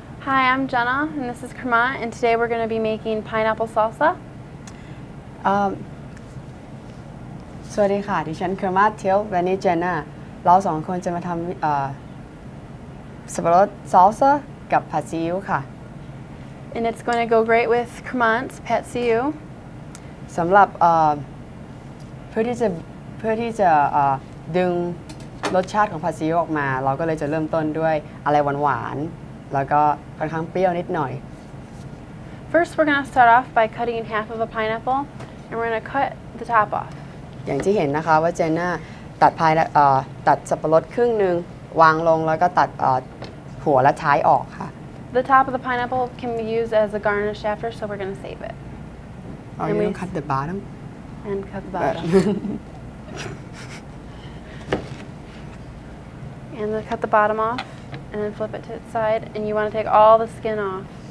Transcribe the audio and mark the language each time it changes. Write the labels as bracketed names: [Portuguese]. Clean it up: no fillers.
[English] Hi, I'm Jenna, and this is Kruamat, and today we're going to be making pineapple salsa. [Thai] สวัสดีค่ะ ดิฉัน Kruamat Thielk, วันนี้ Jenna. เราสองคนจะมาทำสับปะรดซอลซ่า กับผัดซีอิ๊วค่ะ [English] And it's going to go great with Kruamat Thielk. [Thai] สำหรับเพื่อที่จะดึงรสชาติของผัดซีอิ๊วออกมาเราก็เลยจะเริ่มต้นด้วยอะไรหวานๆแล้วก็ค่อนข้างเปรี้ยวนิดหน่อย [English] First we're going to start off by cutting in half of a pineapple and we're going to cut the top off. [Thai] อย่างที่เห็นนะคะว่าเจนน่าตัดไพ่ตัดสับปะรดครึ่งนึงวางลงแล้วก็ตัดหัวและท้ายออกค่ะ [English] The top of the pineapple can be used as a garnish after so we're going to save it. Oh, and you don't cut the bottom? And cut the bottom. And then cut the bottom off and then flip it to its side and you want to take all the skin off.